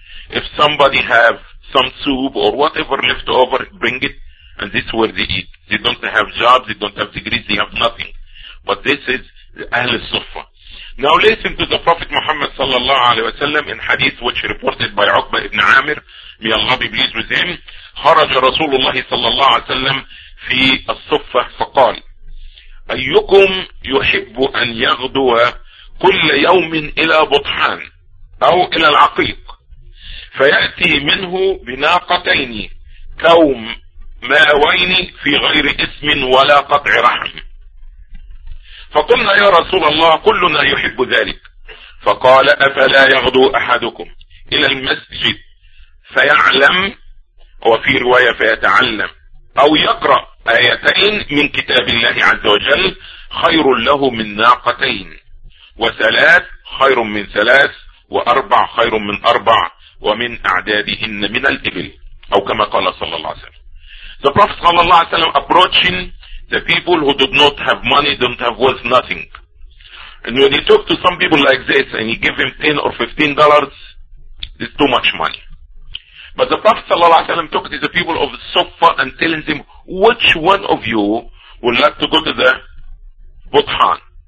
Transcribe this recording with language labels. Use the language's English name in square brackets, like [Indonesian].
[English] If somebody have some soup or whatever left over, bring it, and this is where they eat. They don't have jobs, they don't have degrees, they have nothing. But this is the Ahl al-Suffa. Now listen to the Prophet Muhammad sallallahu alayhi wa sallam in hadith which reported by Uqba ibn Amir, may Allah be pleased with him. [Arabic] خرج رسول الله صلى الله عليه وسلم في الصفة فقال أيكم يحب أن يغدو كل يوم إلى بطحان أو إلى العقيق فيأتي منه بناقتين كوم ماوين في غير اسم ولا قطع رحم فقلنا يا رسول الله كلنا يحب ذلك فقال أفلا يغدو أحدكم إلى المسجد فيعلم هو في رواية فيتعلم أو يقرأ آيتين من كتاب الله عز وجل خير له من ناقتين وثلاث خير من ثلاث وأربع خير من أربع ومن أعدادهن من الإبل أو كما قال صلى الله عليه وسلم. [English] The Prophet [Arabic] صلى الله عليه وسلم [English] approaching the people who did not have money, don't have wealth, nothing. And when he talked to some people like this and he gave him $10 or $15, it's too much money. But the Prophet sallallahu alaihi wasallam took to the people of Suffa and telling them, which one of you would like to go to the Buthan?